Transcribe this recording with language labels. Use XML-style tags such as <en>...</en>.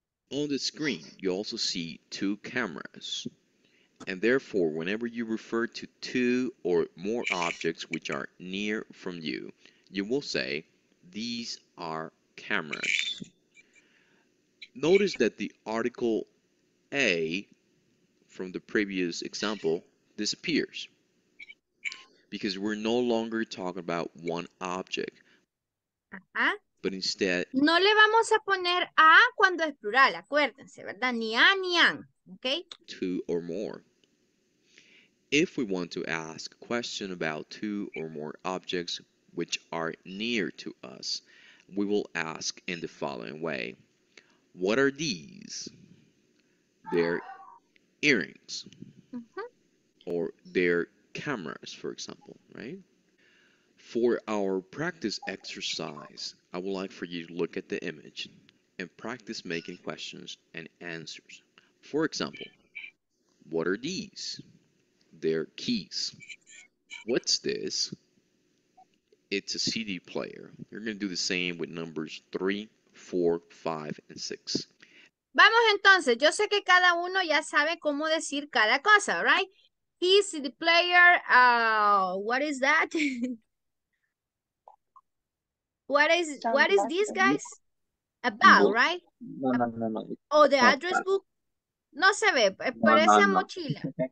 <en>On the screen, you also see two cameras. And therefore, whenever you refer to two or more objects which are near from you, you will say, these are cameras. Notice that the article A from the previous example disappears because we're no longer talking about one object. Ajá. But instead,</en> <es>no le vamos a poner a cuando es plural, acuérdense, ¿verdad? Ni a ni an, ¿okay?</es> <en>Two or more. If we want to ask a question about two or more objects which are near to us, we will ask in the following way. What are these? Their earrings. Mm-hmm. Or their cameras, for example, right? For our practice exercise, I would like for you to look at the image and practice making questions and answers. For example, what are these? They're keys. What's this? It's a CD player. You're going to do the same with numbers 3, 4, 5, and 6.</en> <es>Vamos entonces. Yo sé que cada uno ya sabe cómo decir cada cosa, right?</es> <en>Keys, CD player, what is that? What is this, guys? A bell, no, right?</en> <es>No.</es> <en>Oh, the address book?</en> <es>No se ve, parece no. Mochila.</es>